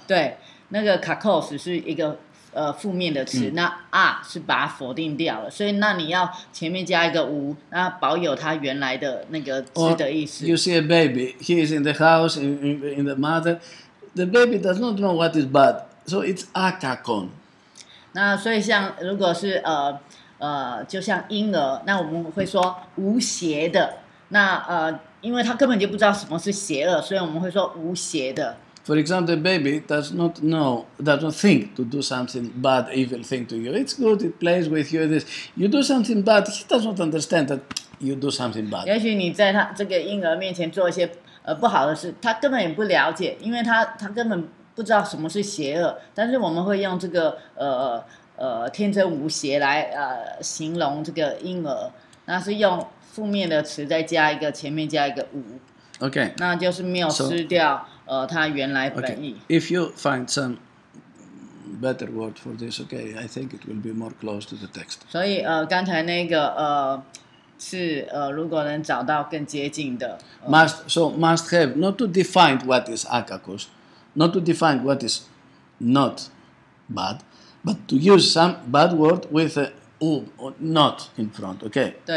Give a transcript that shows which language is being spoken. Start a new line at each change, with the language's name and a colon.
Chinese: 对, 那个kakos是一个, 负面的词, 那啊是把它否定掉了, 所以那你要前面加一个无, 那保有它原来的那个字的意思。
English: You see a baby, he is in the house, in the mother, the baby does not know what is bad, so it's akakon.
Chinese: 那所以像如果是, 就像婴儿, 那我们会说无邪的, 那, 因为他根本就不知道什么是邪恶, 所以我们会说无邪的。
English: For example, the baby does not know, does not think to do something bad, evil thing to you. It's good, it plays with you. This. You do something bad, he does not understand that you do something bad.
Chinese: 也许你在他这个婴儿面前做一些, 不好的事, 他根本也不了解, 因为他根本不知道什么是邪恶, 但是我们会用这个, 天真无邪来, 形容这个婴儿, 那是用, 负面的词再加一个前面加一个无,
English: okay.
Chinese: 那就是没有失掉, so, 它原来本意。
English: Okay. If you find some better word for this, okay, I think it will be more close to the text.
Chinese: 所以, 刚才那个, 是, 如果能找到更接近的,
English: must, so must have, not to define what is akakos, not to define what is not bad, but to use some bad word with a not in front, okay?